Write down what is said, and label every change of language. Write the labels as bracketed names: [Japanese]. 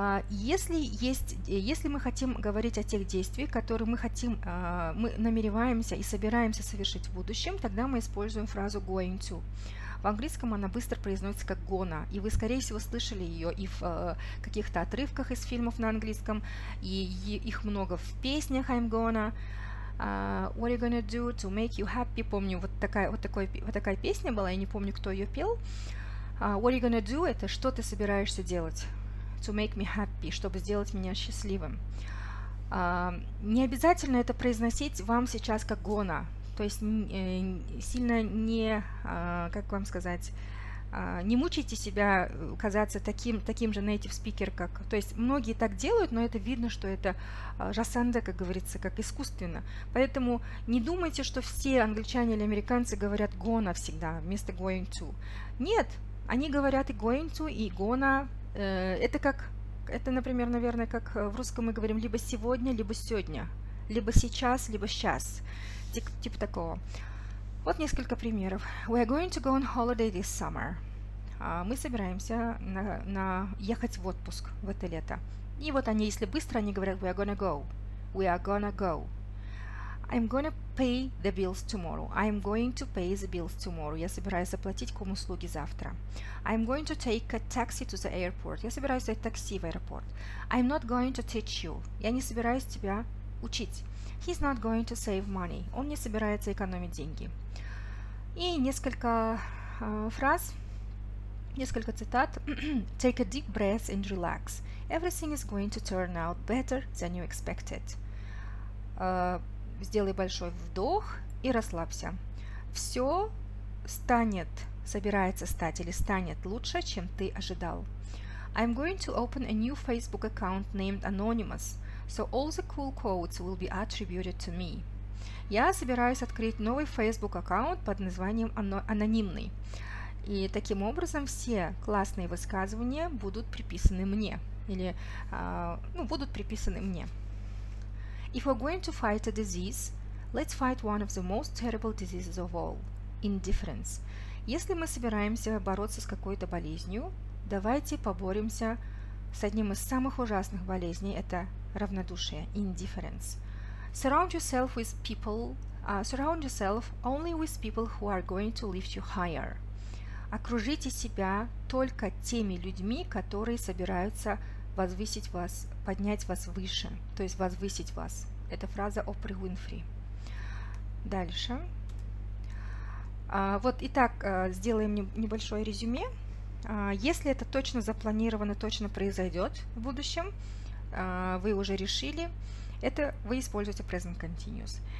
[Russian] Если мы хотим говорить о тех действиях, которые мы хотим, мы намереваемся и собираемся совершить в будущем, тогда мы используем фразу going to. В английском она быстро произносится как gonna, и вы, скорее всего, слышали ее и в каких-то отрывках из фильмов на английском, и их много в песнях [English] I'm gonna. What are you gonna do to make you happy? [Russian] Помню, вот такая песня была, я не помню, кто ее пел. [English] What are you gonna do? [Russian] Это что ты собираешься делать? [English] To make me happy, [Russian] чтобы сделать меня счастливым. Не обязательно это произносить вам сейчас как gonna. То есть сильно не, как вам сказать, не мучайте себя казаться таким же native speaker, как... То есть многие так делают, но это видно, что это жасанда, как говорится, как искусственно. Поэтому не думайте, что все англичане или американцы говорят gonna всегда вместо going to. Нет, они говорят и going to, и gonna. Это как, это, например, наверное, как в русском мы говорим либо сегодня, либо сегодня, либо сейчас, либо сейчас. Типа такого. Вот несколько примеров. [English] We are going to go on holiday this summer. [Russian] Мы собираемся на ехать в отпуск в это лето. И вот они, если быстро, они говорят [English] we are gonna go. [Russian] We are gonna go. [English] I'm gonna pay the bills tomorrow. I'm going to pay the bills tomorrow. [Russian] Я собираюсь заплатить ком-услуги завтра. [English] I'm going to take a taxi to the airport. [Russian] Я собираюсь взять такси в аэропорт. [English] I'm not going to teach you. [Russian] Я не собираюсь тебя учить. [English] He's not going to save money. [Russian] Он не собирается экономить деньги. И несколько фраз, несколько цитат. [English] Take a deep breath and relax. Everything is going to turn out better than you expected. [Russian] Сделай большой вдох и расслабься. Все станет, собирается стать или станет лучше, чем ты ожидал. [English] I'm going to open a new Facebook account named Anonymous, so all the cool quotes will be attributed to me. [Russian] Я собираюсь открыть новый Facebook аккаунт под названием «Анонимный». И таким образом все классные высказывания будут приписаны мне. Или будут приписаны мне. [English] If we're going to fight a disease, let's fight one of the most terrible diseases of all – indifference. [Russian] Если мы собираемся бороться с какой-то болезнью, давайте поборемся с одним из самых ужасных болезней – это равнодушие, indifference. [English] Surround yourself only with people who are going to lift you higher. [Russian] Окружите себя только теми людьми, которые собираются возвысить вас, поднять вас выше, то есть возвысить вас. Это фраза Опры Уинфри. Дальше. Сделаем небольшое резюме. Если это точно запланировано, точно произойдет в будущем, вы уже решили, это вы используете present continuous.